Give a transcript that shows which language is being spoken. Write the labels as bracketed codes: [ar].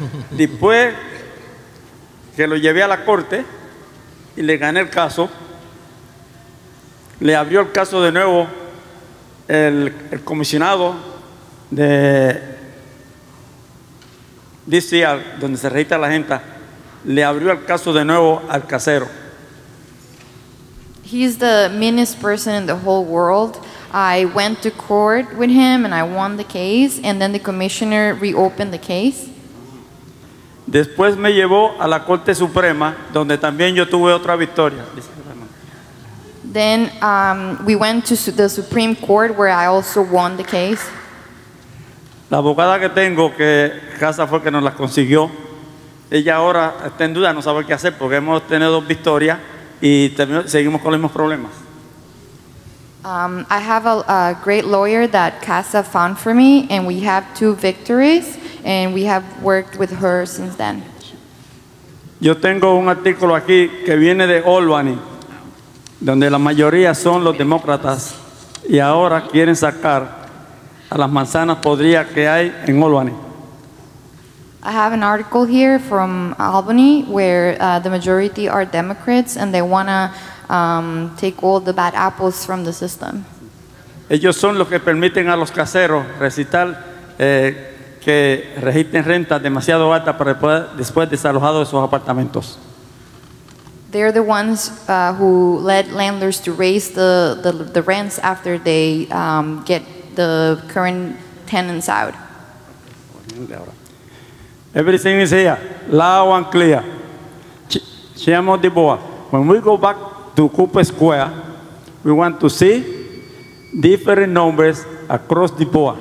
[es] Después que lo llevé a la corte y le gané el caso, le abrió el caso de nuevo el comisionado de DCR, donde se registra la gente, le abrió el caso de nuevo al casero. [en] He's the meanest person in the whole world. I went to court with him and I won the case, and then the commissioner reopened the case. [es] Después me llevó a la Corte Suprema, donde también yo tuve otra victoria. [en] Then we went to the Supreme Court where I also won the case. [es] La abogada que tengo, que casa fue que nos la consiguió, ella ahora está en duda, no sabe qué hacer porque hemos tenido victorias y seguimos con los mismos problemas. [en] I have a great lawyer that Casa found for me, and we have two victories, and we have worked with her since then. [es] Yo tengo un artículo aquí que viene de Albany, donde la mayoría son los demócratas, y ahora quieren sacar a las manzanas podridas que hay en Albany. [en] I have an article here from Albany where the majority are Democrats, and they want to take all the bad apples from the system. [es] Ellos son los que permiten a los caseros recitar que registren rentas demasiado altas para después desalojado de sus apartamentos. [en] They're the ones who led landlords to raise the rents after they get the current tenants out. Everything is here, loud and clear. Chairman Deboa, when we go back to Cooper Square, we want to see different numbers across the board.